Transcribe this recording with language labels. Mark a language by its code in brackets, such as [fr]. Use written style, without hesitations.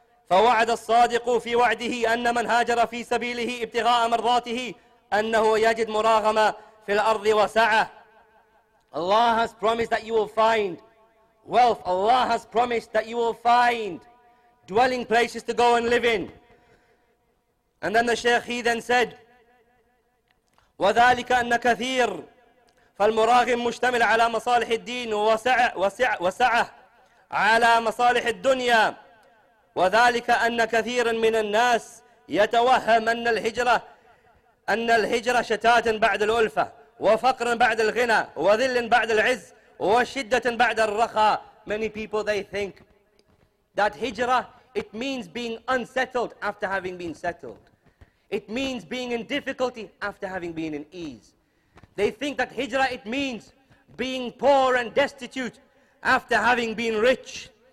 [ar] فوعد الصادق في وعده أن من هاجر في سبيله ابتغاء مرضاته أنه يجد مراغمة في الأرض وسعة. [en] Allah has promised that you will find wealth. Allah has promised that you will find dwelling places to go and live in. And then the Shaykh, he then said, [ar] وذلك أن كثير فالمراغم مشتمل على مصالح الدين وسعة على مصالح الدنيا وذلك أن كثيرا من الناس يتوهم أن الهجرة شتاتا بعد الألفة وفقرا بعد الغنى وذل بعد العز وشدة بعد الرخاء. [en] Many people, they think that hijrah, it means being unsettled after having been settled. It means being in difficulty after having been in ease. They think that hijrah, it means being poor and destitute after having been rich.